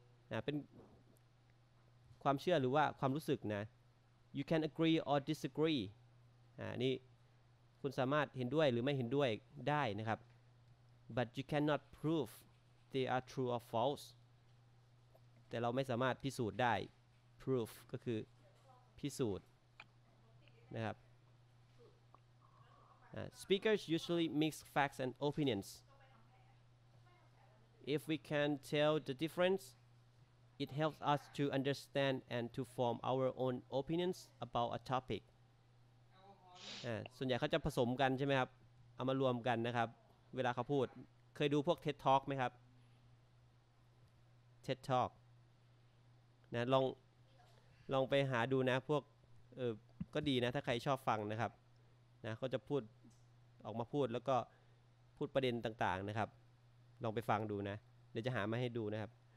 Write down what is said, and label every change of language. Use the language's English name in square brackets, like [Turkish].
[Thai] นะเป็นความเชื่อหรือว่าความรู้สึกนะ [English] You can agree or disagree [Thai] นี่คุณสามารถเห็นด้วยหรือไม่เห็นด้วยได้นะครับ [English] But you cannot prove they are true or false [Thai] แต่เราไม่สามารถพิสูจน์ได้ Proof ก็คือพิสูจน์นะครับ [English] Speakers usually mix facts and opinions. If we can tell the difference, it helps us to understand and to form our own opinions about a topic. [Thai] ส่วนใหญ่เขาจะผสมกันใช่ไหมครับเอามารวมกันนะครับเวลาเขาพูดเคยดูพวก TED Talk ไหมครับ TED Talk นะลองไปหาดูนะพวกก็ดีนะถ้าใครชอบฟังนะครับนะเขาจะพูดออกมาพูดแล้วก็พูดประเด็นต่างๆนะครับลองไปฟังดูนะเดี๋ยวจะหามาให้ดูนะครับ